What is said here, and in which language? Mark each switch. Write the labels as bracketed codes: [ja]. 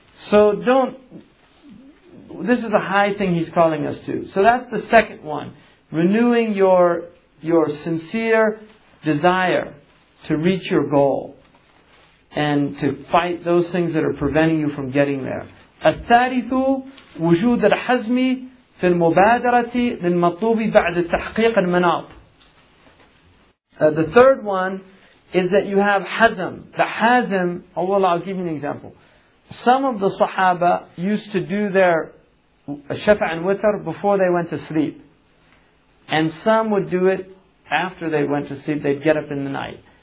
[en] So don't... This is a high thing he's calling us to. So that's the second one. Renewing your sincere desire to reach your goal and to fight those things that are preventing you from getting there. [ar] الثالثُ وجود الحزم في المبادرة للمطلوب بعد تحقيق المناط. [en] The third one is that you have hazm. The hazm, Allah, I'll give you an example. Some of the Sahaba used to do their shafa' and witr before they went to sleep. And some would do it after they went to sleep, they'd get up in the night.